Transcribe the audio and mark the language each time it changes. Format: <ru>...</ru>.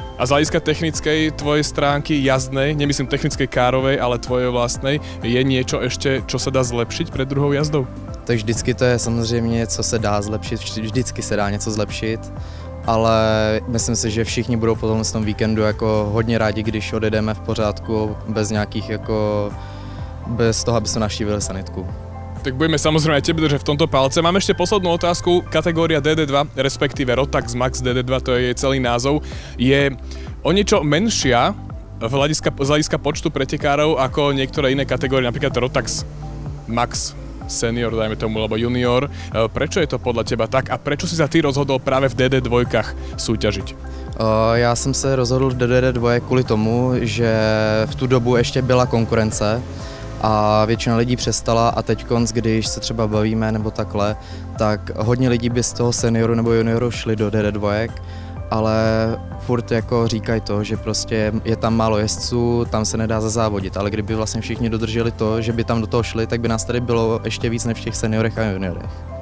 <sk>A z hľadiska technickej tvojej stránky, jazdnej, nemyslím technickej károvej, ale tvojej vlastnej, je niečo ešte, čo sa dá zlepšiť pred druhou jazdou?</sk> <cs>Tak vždycky to je samozřejmě, co se dá zlepšit, vždycky se dá něco zlepšit, ale myslím si, že všichni budou potom v tom víkendu jako hodně rádi, když odejdeme v pořádku, bez nějakých jako, bez toho, aby jsme navštívili sanitku. Tak budeme samozřejmě těbe držet v tomto palce. Mám ještě poslednou otázku,</cs> <sk>kategorie DD2, respektive Rotax Max DD2, to je jej celý názov, je o něco menšia z hľadiska počtu pretekárov ako niektoré iné kategórie, napríklad Rotax Max Senior, dajme tomu, alebo junior. Prečo je to podľa teba tak a prečo si sa ty rozhodol práve v DD2 súťažiť?</sk> <cs>Ja som sa rozhodol v DD2 kvôli tomu, že v tú dobu ešte byla konkurence a väčšina lidí přestala a teďkonc, když sa třeba bavíme nebo takhle, tak hodne lidí by z toho senioru nebo junioru šli do DD2, ale furt jako říkají to, že prostě je tam málo jezdců, tam se nedá zazávodit, ale kdyby vlastně všichni dodrželi to, že by tam do toho šli, tak by nás tady bylo ještě víc než v těch seniorech a juniorech.</cs>